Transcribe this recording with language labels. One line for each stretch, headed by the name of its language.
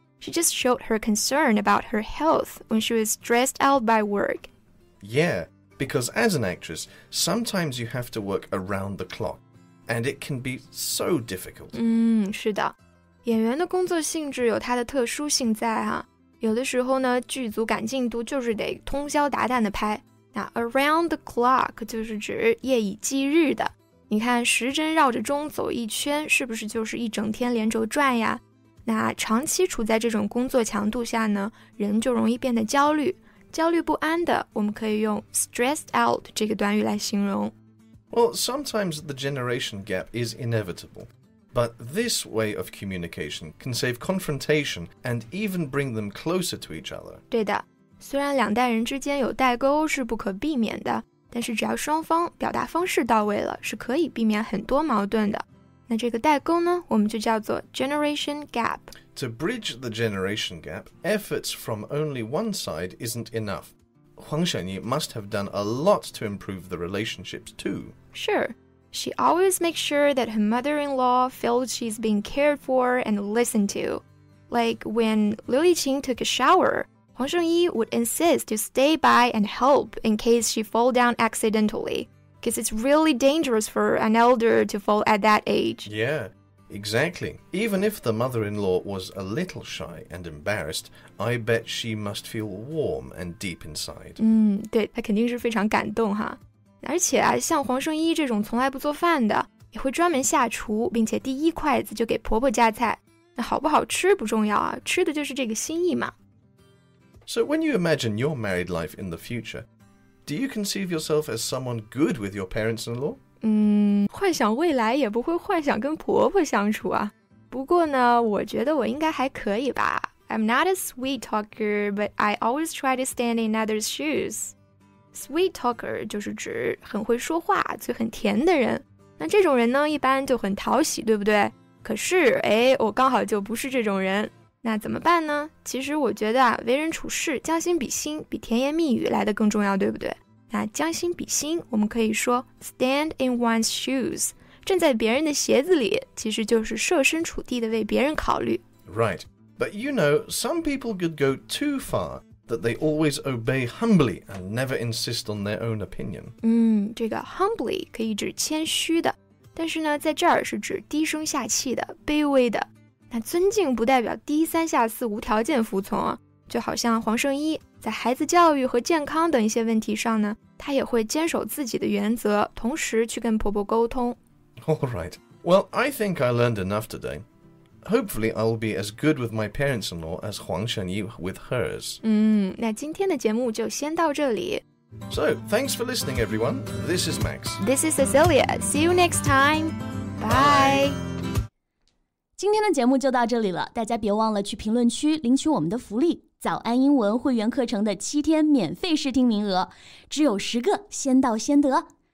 English: She just showed her concern about her health when she was stressed out by work. Yeah, because as an actress, sometimes you have to work around the clock, and it can be so difficult.
Chinese: 是的，演员的工作性质有它的特殊性在啊。有的时候呢，剧组赶进度就是得通宵达旦的拍。那 around the clock 就是指夜以继日的。你看时针绕着钟走一圈，是不是就是一整天连轴转呀？那长期处在这种工作强度下呢，人就容易变得焦虑，焦虑不安的，我们可以用 stressed out 这个短语来形容。
English: Well, sometimes the generation gap is inevitable. But this way of communication can save confrontation and even bring them closer to each other.
Chinese: 对的，虽然两代人之间有代沟是不可避免的，但是只要双方表达方式到位了，是可以避免很多矛盾的。那这个代沟呢，我们就叫做 generation gap.
English: To bridge the generation gap, efforts from only one side isn't enough. Huang Xianyi must have done a lot to improve the relationships too. Sure. She always makes sure that her mother-in-law feels she's being cared for and listened to. Like when Liu Liqing took a shower, Huang Shengyi would insist to stay by and help in case she fall down accidentally. Because it's really dangerous for an elder to fall at that age. Yeah, exactly. Even if the mother-in-law was a little shy and embarrassed, I bet she must feel warm and deep inside.
Chinese: 对，她肯定是非常感动哈。而且啊，像黄圣依这种从来不做饭的，也会专门下厨，并且第一筷子就给婆婆夹菜。那好不好吃不重要啊，吃的就是这个心意嘛。
English: So when you imagine your married life in the future, do you conceive yourself as someone good with your parents-in-law?
Chinese: 幻想未来也不会幻想跟婆婆相处啊。不过呢，我觉得我应该还可以吧。
English: I'm not a sweet talker, but I always try to stand in others' shoes.
Chinese: Sweet talker 就是指很会说话嘴很甜的人，那这种人呢一般就很讨喜，对不对？可是哎，我刚好就不是这种人，那怎么办呢？其实我觉得啊，为人处事将心比心比甜言蜜语来得更重要，对不对？那将心比心我们可以说 stand in one's shoes， 站在别人的鞋子里，其实就是设身处地的为别人考虑。
English: Right, but you know, some people could go too farthat they always obey humbly and never insist on their own opinion.
Chinese: 这个 humbly 可以指谦虚的，但是呢，在这儿是指低声下气的、卑微的。那尊敬不代表低三下四、无条件服从啊。就好像黄圣依在孩子教育和健康等一些问题上呢，她也会坚守自己的原则，同时去跟婆婆沟通。
English: All right. Well, I think I learned enough today. Hopefully, I will be as good with my parents-in-law as Huang Shengyi with hers.
Chinese: 那今天的节目就先到这里。
English: So, thanks for listening, everyone. This is Max. This is Cecilia. See you next time. Bye.
Chinese: 今天的节目就到这里了。大家别忘了去评论区领取我们的福利，早安英文会员课程的七天免费试听名额，只有十个，先到先得。